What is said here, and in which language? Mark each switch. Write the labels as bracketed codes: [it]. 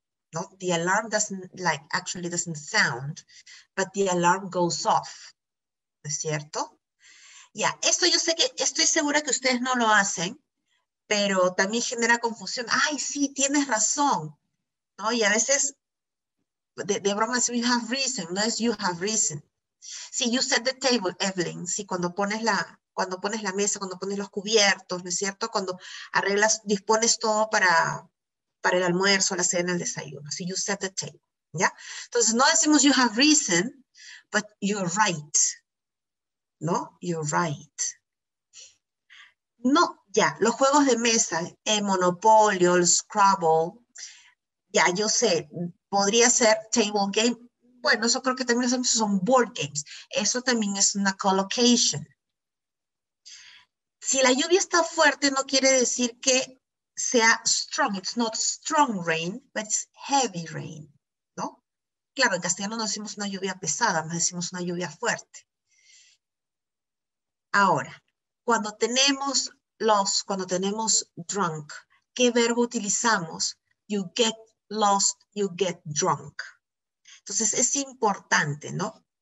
[en] No, the alarm actually doesn't sound, but the alarm goes off. [es] ¿No es cierto? Ya, esto yo sé que estoy segura que ustedes no lo hacen, pero también genera confusión. Ay, sí, tienes razón, ¿no? Y a veces, de broma, es [en] we have reason, [es] no es [en] you have reason. [es] Sí, [en] you set the table, [es] Evelyn, sí, cuando pones la mesa, cuando pones los cubiertos, ¿no es cierto? Cuando arreglas, dispones todo para el almuerzo, la cena, el desayuno. Sí, [en] you set the table, [es] ¿ya? Entonces, no decimos [en] you have reason, but you're right. [es] No, you're No, ya, los juegos de mesa, el Monopolio, el Scrabble, ya, yo sé, podría ser table game. Bueno, eso creo que también son board games. Eso también es una collocation. Si la lluvia está fuerte, no quiere decir que sea strong. [en] It's not strong rain, but it's heavy rain, ¿no? [es] Claro, en castellano no decimos una lluvia pesada, más decimos una lluvia fuerte. Ahora, cuando tenemos drunk, ¿qué verbo utilizamos? [en] You get lost, you get drunk. [es] Entonces, es importante, ¿no?